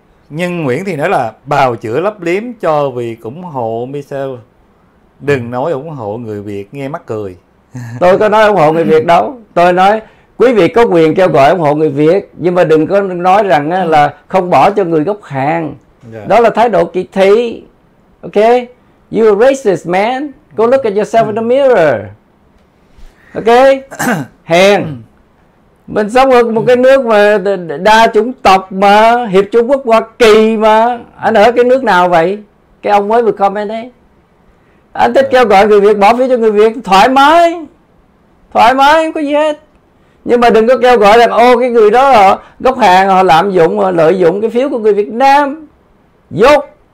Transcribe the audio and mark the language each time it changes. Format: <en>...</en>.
<vi>Nhưng Nguyễn thì nói là bào chữa lấp liếm cho vì ủng hộ Michelle, đừng nói ủng hộ người Việt nghe mắc cười. Tôi có nói ủng hộ người Việt đâu. Tôi nói quý vị có quyền kêu gọi ủng hộ người Việt, nhưng mà đừng có nói rằng là không bỏ cho người gốc Hàn. Yeah. Đó là thái độ kỳ thị.</vi> <en>Ok, you're a racist man, go look at yourself in the mirror.</en> <vi>Ok, hèn. Mình sống ở một cái nước mà đa chủng tộc mà, Hiệp Trung Quốc Hoa Kỳ mà. Anh ở cái nước nào vậy? Cái ông mới vừa comment đấy. Anh thích kêu gọi người Việt bỏ phiếu cho người Việt, thoải mái. Thoải mái, không có gì hết. Nhưng mà đừng có kêu gọi rằng ô cái người đó họ gốc Hàn, họ lạm dụng, họ lợi dụng cái phiếu của người Việt Nam. Dốt.</vi>